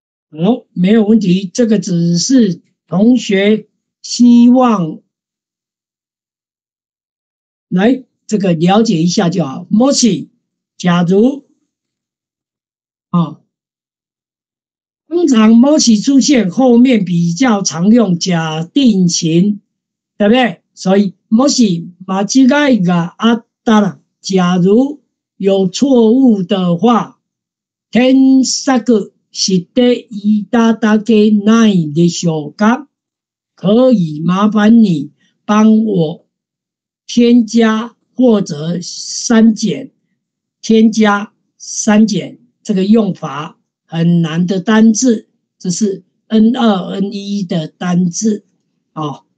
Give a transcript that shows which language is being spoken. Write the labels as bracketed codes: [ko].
[zh] 好、哦、没有问题，这个只是同学希望来这个了解一下就好。もし假如、哦、通常もし出现后面比较常用假定型，对不对？ [ja] 所以もし間違いがあったら， [zh] 假如有错误的话， [ja] 添削知っていただけないでしょうか？ [zh] 可以麻烦你帮我添加或者删减添加、删减这个用法很难的单字，这是 N2N1 的单字哦。